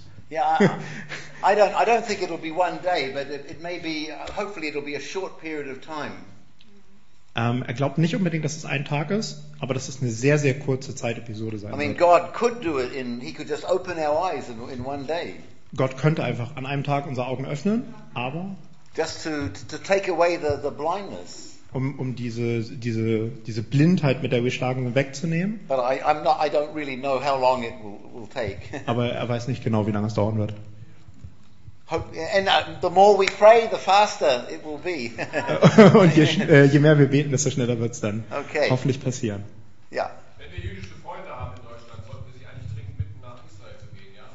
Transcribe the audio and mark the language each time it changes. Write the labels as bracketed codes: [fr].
[en] Yeah, I don't think it'll be one day, but it may be, hopefully it'll be a short period of time. [de] Er glaubt nicht unbedingt, dass es ein Tag ist, aber dass es eine sehr, sehr kurze Zeitepisode sein wird. [en] God could do it in, he could just open our eyes in one day. [de] Gott könnte einfach an einem Tag unsere Augen öffnen, aber [en] just to take away the blindness. [de] Um diese Blindheit, mit der wir schlagen, wegzunehmen. [en] But I don't really know how long it will take. [de] Aber er weiß nicht genau, wie lange es dauern wird. [en] And the more we pray, the faster it will be. [de] Und je mehr wir beten, desto schneller wird es dann [en] okay. [de] Hoffentlich passieren. Ja. Wenn wir jüdische Freunde haben in Deutschland, sollten wir sie eigentlich dringend bitten, nach Israel zu gehen, ja?